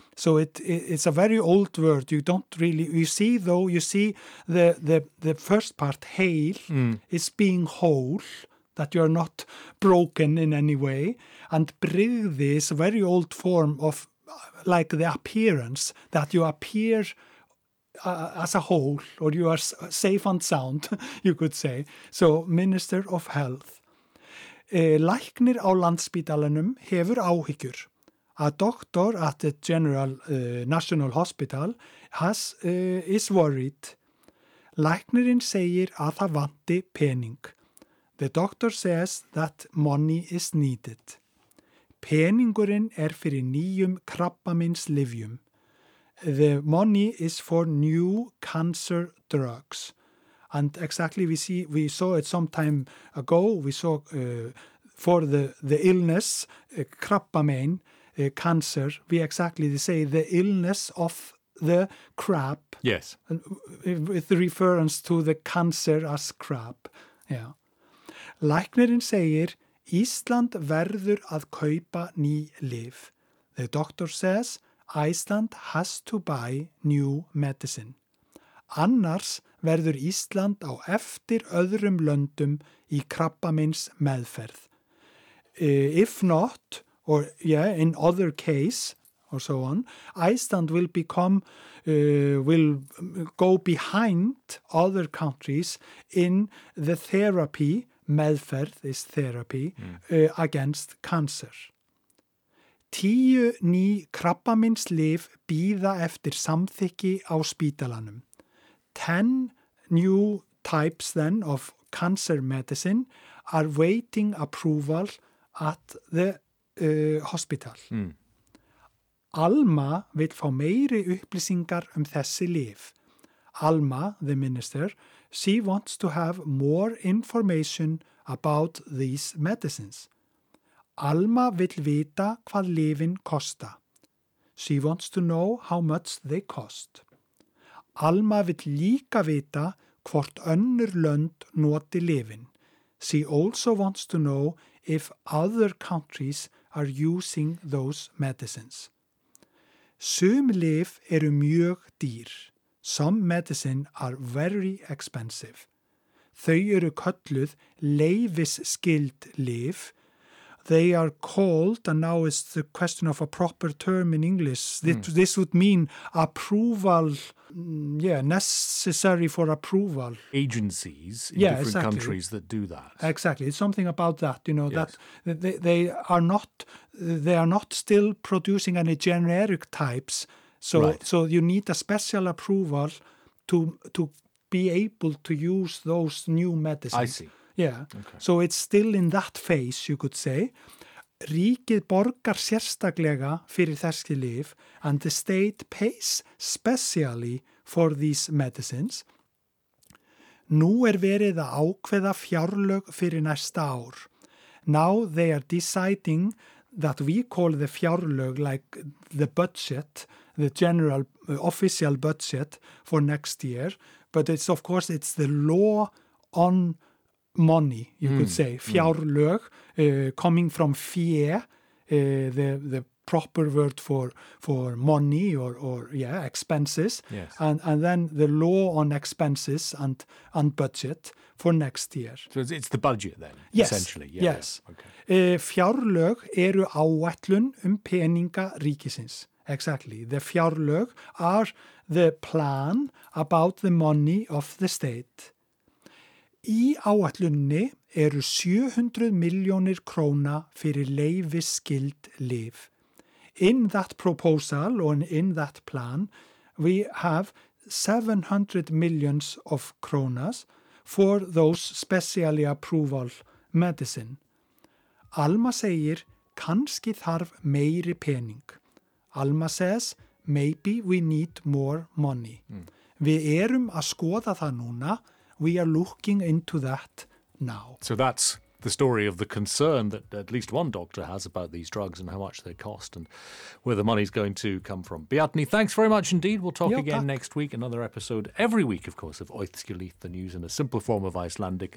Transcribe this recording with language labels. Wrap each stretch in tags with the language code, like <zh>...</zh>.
<en>So it's a very old word. You don't really you see the first part heil is being whole, that you are not broken in any way, and brigði is a very old form of like the appearance that you appear as a whole, or you are safe and sound, you could say. So Minister of Health,</en> <is>læknir á Landspítalanum hefur áhyggjur.</is> <en>A doctor at the General National Hospital is worried.</en> <is>Læknirinn segir að það vanti pening.</is> <en>The doctor says that money is needed.</en> <is>Peningurinn fyrir nýjum krabbameinslyfjum.</is> <en>The money is for new cancer drugs. And exactly we saw it some time ago. We saw for the illness, krabbamein. Cancer, we exactly say the illness of the crab. Yes. With the reference to the cancer as crab. Yeah.</en> <is>Læknirinn segir, Ísland verður að kaupa ný lyf.</is> <en>The doctor says, Iceland has to buy new medicine.</en> <is>Annars verður Ísland á eftir öðrum löndum í krabbameins meðferð.</is> <en>If not, or yeah, in other case, or so on, Iceland will become, will go behind other countries in the therapy, meðferð is therapy against cancer.</en> <is>10 ný krabbameinslyf bíða eftir samþykki á spítalanum.</is> <en>10 new types then of cancer medicine are waiting approval at the hospital. Mm.</en> <is>Alma vill fá meiri upplýsingar þessi lyf.</is> <en>Alma, the minister, she wants to have more information about these medicines.</en> <is>Alma vill vita hvað lyfin kosta.</is> <en>She wants to know how much they cost.</en> <is>Alma vill líka vita hvort önnur lönd noti lyfin.</is> <en>She also wants to know if other countries are using those medicines.</en> <is>Sum lyf eru mjög dýr.</is> <en>Some medicine are very expensive.</en> <is>Þau eru kölluð leyfisskyld lyf.</is> <en>They are called, and now is the question of a proper term in English, this would mean approval, necessary for approval. Agencies in different countries that do that. Exactly, it's something about that, you know, yes. that they are not still producing any generic types, so you need a special approval to be able to use those new medicines. I see. Yeah, okay. So it's still in that phase, you could say.</en> <is>Ríkið borgar sérstaklega fyrir þessi lyf</is> <en>and the state pays specially for these medicines.</en> <is>Nú verið að ákveða fjárlög fyrir næsta ár.</is> <en>Now they are deciding that we call the fjárlög like the budget, the general official budget for next year. But it's of course, it's the law on money, you could say, fjárlög, coming from fé, the proper word for money or expenses, yes. and then the law on expenses and budget for next year. So it's the budget then, yes. essentially. Yeah, yes, yeah. Okay.</en> <is>Fjárlög eru áætlun peninga ríkisins.</is> <en>Exactly, the fjárlög are the plan about the money of the state.</en> <is>Í áætlunni eru 700 milljónir króna fyrir leyfisskyld lyf.</is> <en>In that proposal or in that plan, we have 700 millions of kronas for those specially approval medicine.</en> <is>Alma segir, kannski þarf meiri pening.</is> <en>Alma says, maybe we need more money. Mm.</en> <is>Við erum að skoða það núna.</is> <en>We are looking into that now. So that's the story of the concern that at least one doctor has about these drugs and how much they cost and where the money's going to come from. Bjarni, thanks very much indeed. We'll talk again next week. Another episode every week, of course, of Oithskjulith, the news in a simple form of Icelandic.</en>